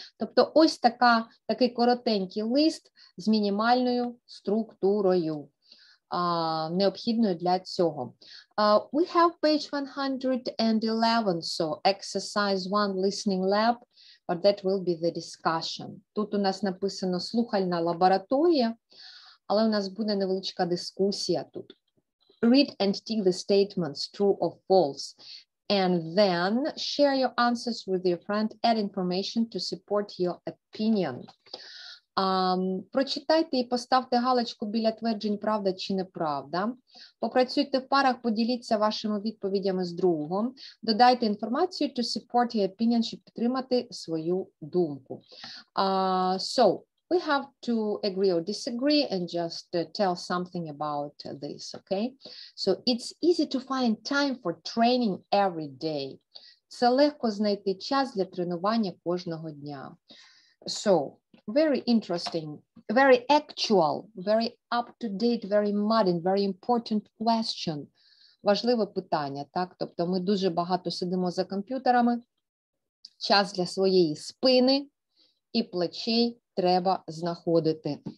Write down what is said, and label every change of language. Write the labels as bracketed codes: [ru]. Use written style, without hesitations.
[uk] Тобто ось такий коротенький лист з мінімальною структурою, необхідною для цього. [en] We have page 111, so exercise one listening lab, but that will be the discussion. [uk] Тут у нас написано слухальна лабораторія, але у нас буде невеличка дискусія тут. [en] Read and tick the statements, true or false. And then share your answers with your friend, add information to support your opinion. [uk] Прочитайте і поставте галочку біля тверджень «правда» чи «неправда». Попрацюйте в парах, поділіться вашими відповідями з другом. Додайте інформацію [en] to support your opinion, [uk] щоб підтримати свою думку. [en] So, we have to agree or disagree and just tell something about this, okay? So, it's easy to find time for training every day. [uk] Це легко знайти час для тренування кожного дня. [en] So, very interesting, very actual, very up-to-date, very modern, very important question. [uk] Важливе питання, так? Тобто ми дуже багато сидимо за комп'ютерами, час для своєї спини і плечей треба знаходити.